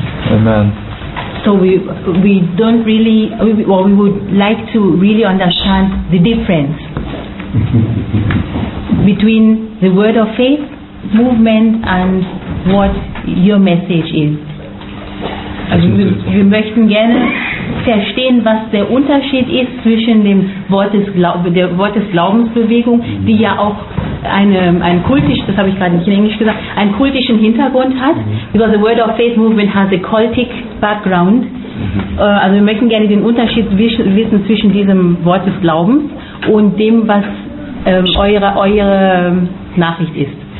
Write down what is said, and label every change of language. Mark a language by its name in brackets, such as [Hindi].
[English] Amen. So we don't really, well, we would like to really understand the difference between the Word of Faith movement and what your message is. [German] Also wir möchten gerne verstehen, was der Unterschied ist zwischen dem Wort des Glaubensbewegung, die ja auch einen kultischen Hintergrund hat. [English] Because the Word of Faith movement has a cultic background. [German] Also wir möchten gerne den Unterschied wissen zwischen diesem Wort des Glaubens und dem, was eure Nachricht ist.